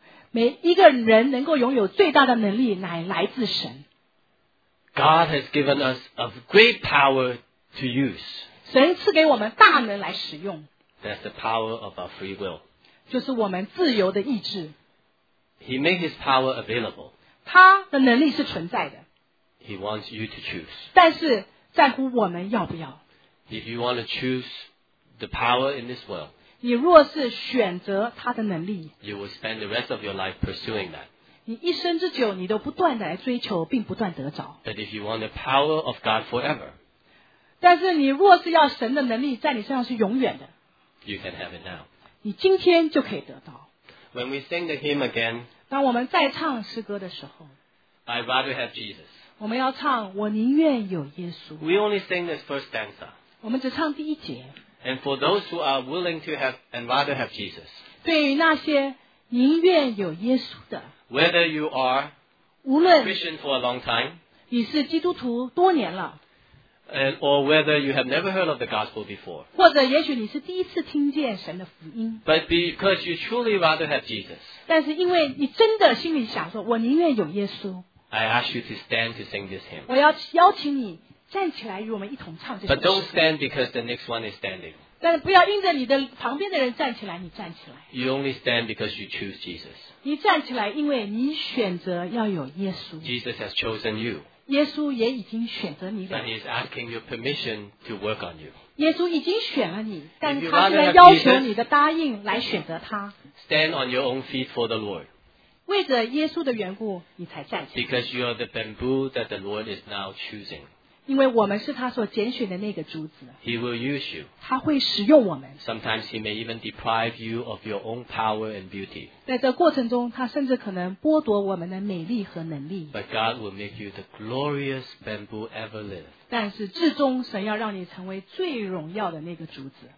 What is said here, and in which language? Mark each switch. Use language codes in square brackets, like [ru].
[zh] 每一个人能够拥有最大的能力乃来自神。 [en] God has given us a great power to use. [zh] 神赐给我们大能来使用。 [en] That's the power of our free will. [zh] 就是我们自由的意志。 [en] He made his power available. [zh] 他的能力是存在的 [en] He wants you to choose. [zh] 但是在乎我们要不要 [en] If you want to choose the power in this world, [zh] 你若是选择他的能力 [en] you will spend the rest of your life pursuing that. [zh] 你一生之久你都不断地来追求并不断得着 [en] But if you want the power of God forever, [zh] 但是你若是要神的能力在你身上是永远的 [en] you can have it now. [zh] 你今天就可以得到 [en] When we sing the hymn again, [zh] 当我们再唱诗歌的时候 [en] I'd rather have Jesus. [zh] 我们要唱我宁愿有耶稣 [en] We only sing this first stanza. [zh] 我们只唱第一节 [en] And for those who are willing to have and rather have Jesus. [zh] 对于那些宁愿有耶稣的 [en] Whether you are [zh] 无论 [en] Christian for a long time, [zh] 你是基督徒多年了 [en] And, or whether you have never heard of the gospel before. [zh] 或者也许你是第一次听见神的福音。 [en] But because you truly rather have Jesus. [zh] 但是因为你真的心里想说我宁愿有耶稣。 [en] I ask you to stand to sing this hymn. [zh] 我要邀请你站起来与我们一同唱这首诗。 [en] But don't stand because the next one is standing. [zh] 但是不要因着你的旁边的人站起来你站起来。 [en] You only stand because you choose Jesus. [zh] 你站起来因为你选择要有耶稣。 [en] Jesus has chosen you. [zh] 耶稣也已经选择你了。 [en] And he is asking your permission to work on you. [zh] 耶稣已经选了你，但他现在要求你的答应来选择他。 [en] Stand on your own feet for the Lord. [zh] 为着耶稣的缘故，你才站起来。 [en] Because you are the bamboo that the Lord is now choosing. [zh] 因为我们是他所拣选的那个竹子。 [en] He will use you. [zh] 他会使用我们。 [en] Sometimes he may even deprive you of your own power and beauty. [zh] 在这过程中，他甚至可能剥夺我们的美丽和能力。 [en] But God will make you the glorious bamboo ever live. [zh] 但是至终，神要让你成为最荣耀的那个竹子。